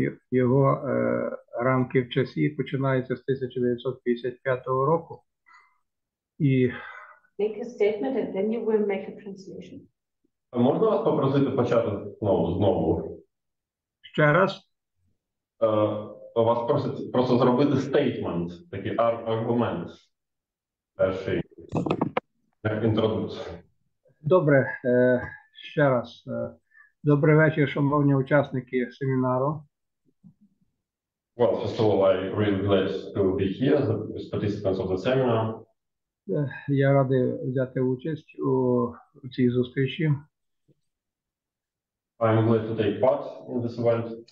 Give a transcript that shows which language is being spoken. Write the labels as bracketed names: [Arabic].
[Ukrainian] Його рамки в часі починаються з 1955 року. І... [English] Make a statement and then you will make a translation. [Ukrainian] А можна вас попросити почати знову? Ще раз? Вас просто зробити statement, такий аргумент перший. Добре, ще раз. Добрий вечір, шановні учасники семінару. [English] Well, first of all, I'm really glad to be here, the participants of the seminar. [Ukrainian] Я радий взяти участь у цій зустрічі. [English] I'm glad to take part in this event.